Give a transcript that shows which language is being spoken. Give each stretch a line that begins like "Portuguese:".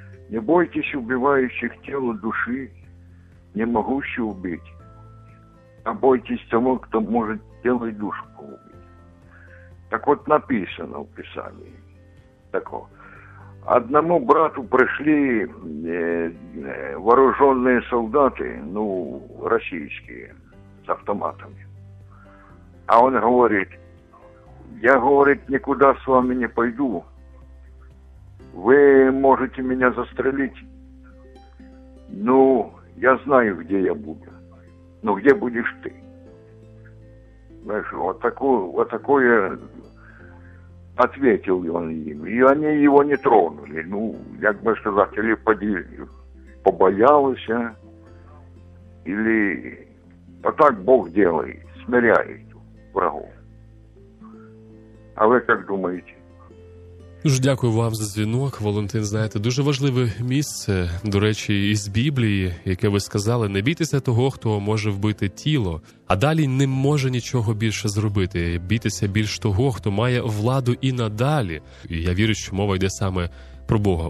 Russian: Не бойтесь убивающих
Ukrainian: тіло души, не могущих убити,
Russian: а бойтесь того,
Ukrainian: хто може тіло і душу убити. Так от написано в Писанні. Одному брату прийшли вооружені солдати, ну, російські, з автоматами.
Russian: А он говорит, я, говорит, никуда с вами не пойду, вы можете меня застрелить. Ну, я знаю, где я буду, но где будешь ты? Знаешь, вот такое ответил он им, и они его не тронули. Ну, как бы сказать, или побоялся, или вот так Бог делает, смиряет врагов.
Ukrainian: А ви як думаєте? Дуже дякую вам за дзвінок, Валентин. Знаєте, дуже важливе місце, до речі, із Біблії, яке ви сказали, не бійтеся того, хто може вбити тіло, а далі не може нічого більше зробити. Бійтеся більш того, хто має владу і надалі. І я вірю, що мова йде саме про Бога.